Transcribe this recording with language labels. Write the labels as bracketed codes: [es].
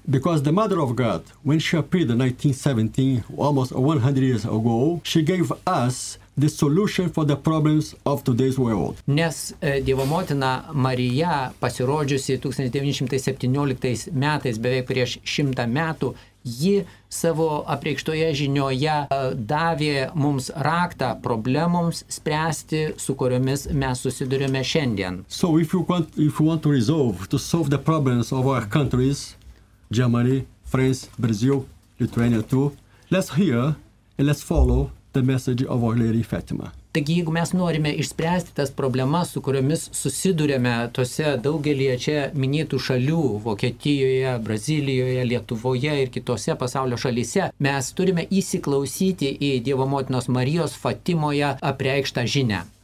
[en] Because the Mother of God, when she appeared in 1917, almost 100 years ago, she gave us the solution for the problems of today's world. [lt] Nes Dievo motina Marija, pasirodžiusi 1917 metais, beveik prieš 100 metų, ji savo apreikštoje žinioje davė mums raktą problemoms spręsti, su kuriomis mes susidurime šiandien. [en] So if you want to resolve, to solve the problems of our countries, Germany, France, Brazil, Lithuania too, let's hear and let's follow the message of Our Lady Fatima. [lt] Taigi, jeigu mes norime išspręsti tas problemas, su kuriomis susidurėme tose daugelyje čia minėtų šalių, Vokietijoje, Brazilijoje, Lietuvoje ir kitose pasaulio šalyse, mes turime įsiklausyti į Dievo motinos Marijos Fatimoje apreikštą žinę.